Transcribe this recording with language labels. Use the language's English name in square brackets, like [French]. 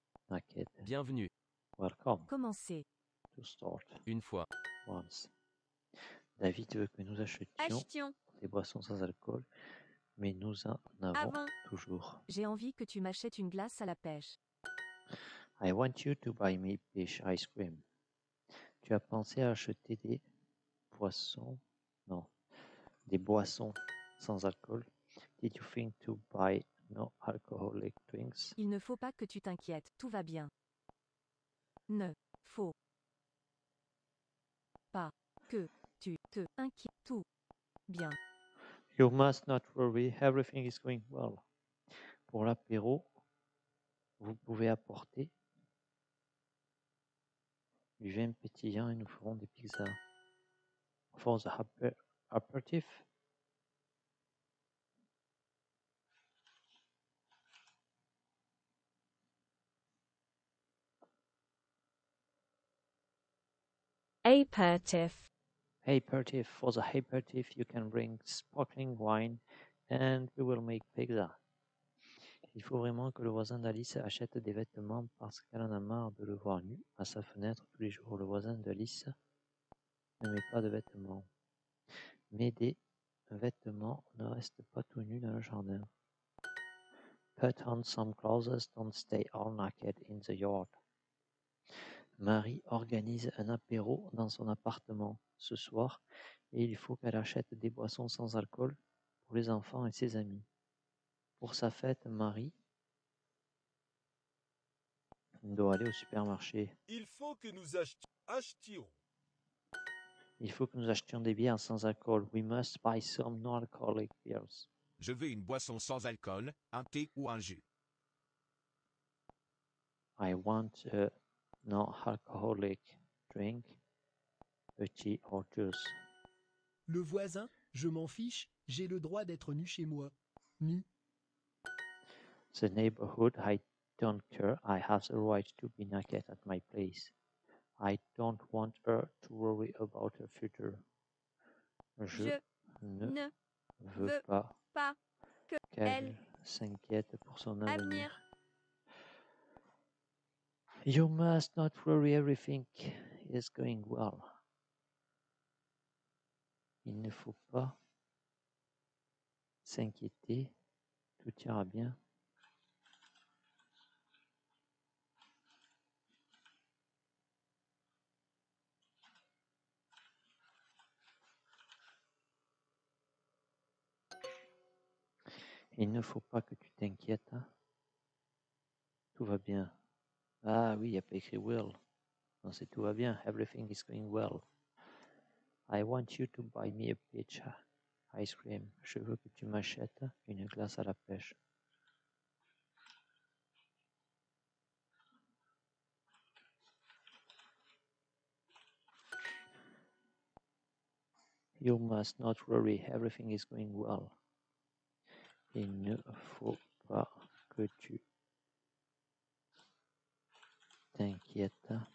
[English] Okay. [French] Bienvenue. [English] Welcome. [French] Commencez. [English] To start. [French] Une fois. [English] Once. [French] David veut que nous achetions Achetions. Des boissons sans alcool. mais nous en avons toujours. J'ai envie que tu m'achètes une glace à la pêche. [English] I want you to buy me fish ice cream. [French] Tu as pensé à acheter des poissons? Non, des boissons sans alcool. [English] Did you think to buy no alcoholic drinks? [French] Il ne faut pas que tu t'inquiètes, tout va bien. Ne faut pas que tu te inquiètes, tout bien. [English] You must not worry, everything is going well. [French] Pour l'apéro, vous pouvez apporter du vin pétillant et nous ferons des pizzas. [English] For the aperitif, Aperitif. For the aperitif, you can bring sparkling wine and we will make pizza. [French] Il faut vraiment que le voisin d'Alice achète des vêtements parce qu'elle en a marre de le voir nu à sa fenêtre tous les jours. Le voisin d'Alice ne met pas de vêtements. Mais des vêtements ne restent pas tout nus dans le jardin. [English] Put on some clothes, don't stay all naked in the yard. [French] Marie organise un apéro dans son appartement ce soir et il faut qu'elle achète des boissons sans alcool pour les enfants et ses amis. Pour sa fête, Marie doit aller au supermarché. Il faut que nous achetions. Il faut que nous achetions des bières sans alcool. [English] We must buy some non-alcoholic beers. [French] Je veux une boisson sans alcool, un thé ou un jus. [English] I want a non-alcoholic drink, a tea or juice. [French] Le voisin, je m'en fiche, j'ai le droit d'être nu chez moi. Nu. [English] The neighborhood, I don't care. I have the right to be naked at my place. I don't want her to worry about her future. [French] Je ne veux pas qu'elle s'inquiète pour son avenir. [English] You must not worry, everything is going well. [French] Il ne faut pas s'inquiéter, tout ira bien. Il ne faut pas que tu t'inquiètes. Hein. Tout va bien. Ah oui, il n'y a pas écrit will. Non, c'est tout va bien. [English] Everything is going well. I want you to buy me a peach ice cream. [French] Je veux que tu m'achètes une glace à la pêche. [English] You must not worry. Everything is going well. [French] Il ne faut pas que tu t'inquiètes.